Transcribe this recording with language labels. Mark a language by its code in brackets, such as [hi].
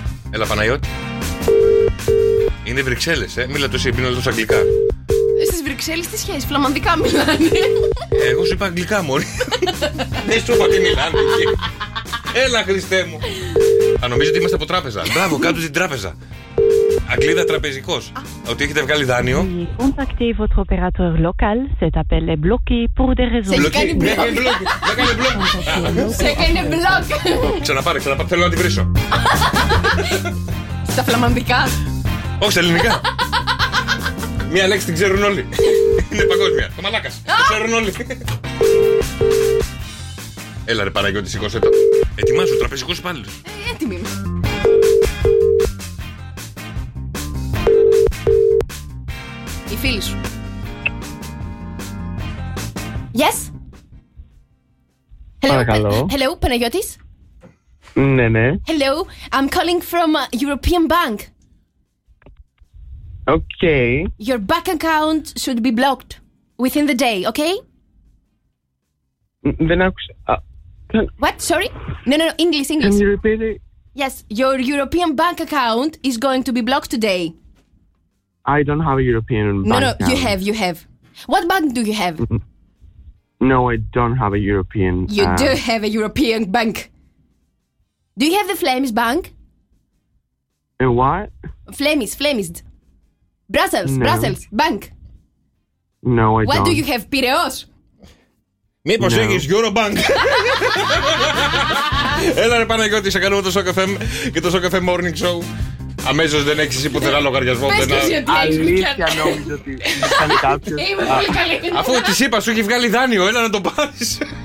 [el] Έλα, Παναγιώτη. Είναι Βρυξέλλες, ε. Μίλα το εσύ, μίλα το αγγλικά. Εσείς Βρυξέλλες. εξέλιξη τη σχέση. Φλαμανδικά μιλάνε. Εγώ σου είπα αγγλικά, μωρή. Δεν σου είπα τι μιλάνε εκεί. Έλα, Χριστέ μου. Αν νομίζω ότι είμαστε από τράπεζα. Μπράβο, κάτω στην τράπεζα. Αγγλίδα τραπεζικό. Ότι έχετε βγάλει δάνειο. [fr] Contactez votre opérateur local. Cet appel est bloqué pour des raisons. [el] Σε κάνει μπλοκ. Σε κάνει μπλοκ. Ξαναπάρε, ξαναπάρε. Θέλω να την βρίσω. Στα φλαμανδικά. Όχι, στα ελληνικά. Μία λέξη την ξέρουν όλοι. Είναι παγκόσμια. Το μαλάκα. Την ξέρουν όλοι. Έλα ρε Παναγιώτη, σηκώσε το. Ετοιμάζω, τραπεζικό υπάλληλο. Έτοιμη είμαι. Η φίλη σου. [en] Yes. Hello. [el] Παρακαλώ. [en] Hello, Παναγιώτης. [el] Ναι, ναι. [en] Hello, I'm calling from European Bank. Okay. Your bank account should be blocked within the day, okay? [el] Δεν άκουσα. [en] What? Sorry? No, English, English. Can you repeat it? Yes, your European bank account is going to be blocked today. I don't have a European bank account. No, you have. What bank do you have? No, I don't have a European... You do have a European bank. Do you have the Flemish bank? A what? Flemish. Brussels, no. Bank. No, I what don't. What do you have, Piraeus? [el] Μήπως [en] no. [el] Έχεις Eurobank. Έλα ρε Παναγιώτη, σε κάνουμε το Sok FM και το Sok FM Morning Show. Αμέσως δεν έχεις εσύ πουθενά λογαριασμό. Πες και ότι έχεις μικρά. Αφού της είπα, σου έχει βγάλει δάνειο, έλα να το πάρεις.